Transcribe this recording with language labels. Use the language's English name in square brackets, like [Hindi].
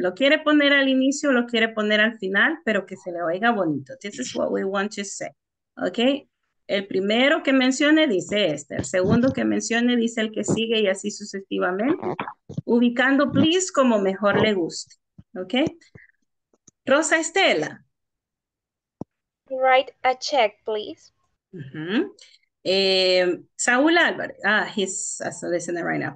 [Spanish] Lo quiere poner al inicio, lo quiere poner al final, pero que se le oiga bonito. [English] This is what we want to say, okay? [Spanish] El primero que mencione dice este, el segundo que mencione dice el que sigue y así sucesivamente, ubicando please como mejor le guste, ¿ok? Rosa Estela. [English] Write a check, please. Uh-huh. Saúl Álvarez, he's listening right now.